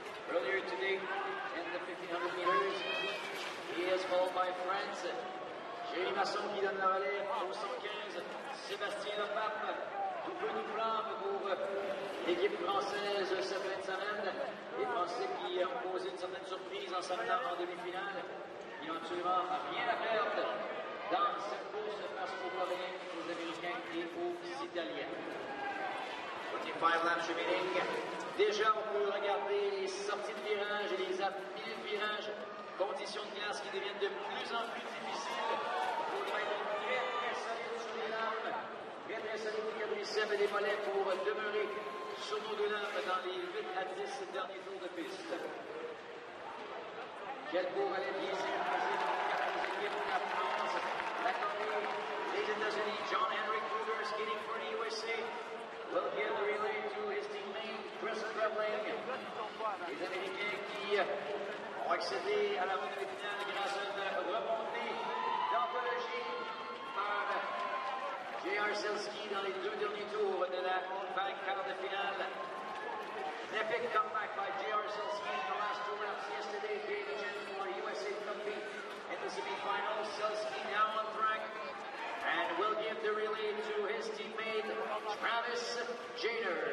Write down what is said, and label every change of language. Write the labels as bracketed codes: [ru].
[en] Earlier today, in the 1500 meters, he is followed by France. [fr] Jérémy Masson qui donne la relève, 215. Sébastien Lepape, tout peu nous flambe pour l'équipe française cette fin de semaine. Les Français qui ont posé une certaine surprise en s'amenant en demi-finale. Ils n'ont absolument rien à perdre dans cette course face aux Coréens, aux Américains et aux Italiens. [en] 25 laps remaining. [fr] Déjà, on peut regarder les sorties de virage et les appuis de virage. Conditions de glace qui deviennent de plus en plus difficiles. Il faudra être très, très solide sur les lames. Très, très solide du quadriceps et des mollets pour demeurer sur nos deux lames dans les 8 à 10 derniers tours de piste. Quel beau relais bien sécurisé par les équipes de la France, la Corée, les États-Unis. [en] John Henry Kruger, skating for the USA, will give the relay to his teammate, Chris Graveling. [fr] Les Américains qui ont accédé à la ronde finale grâce à une remontée d'anthologie par J.R. Selsky dans les deux derniers tours de la vague quart de finale. [en] An epic comeback by J.R. Selsky in the last two laps yesterday, being the champion for USA Trophy in the semifinals. Selsky now on track and will give the relay to his teammate, Travis Jainer.